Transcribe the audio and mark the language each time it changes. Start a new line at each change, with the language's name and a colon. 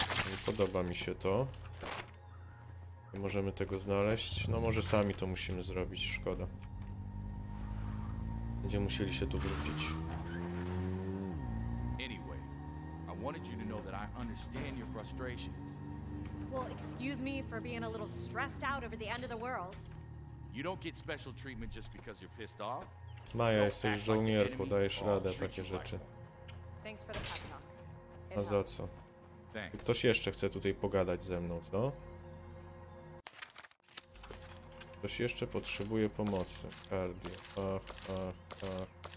Polish: Nie podoba mi się to. Nie możemy tego znaleźć. No może sami to musimy zrobić, szkoda. Będziemy musieli się tu wrócić.
English: Anyway, I wanted you to know that I understand your frustrations. Well, excuse me for being a little stressed out over the end of the world. You don't get special treatment just because you're pissed off.
Polish: Maja, jesteś żołnierką, dajesz radę takie rzeczy.
English: Thanks for the pep talk.
Polish: A za co? Ktoś jeszcze chce tutaj pogadać ze mną, co? Ktoś jeszcze potrzebuje pomocy. Cardio. Ach, ach, ach.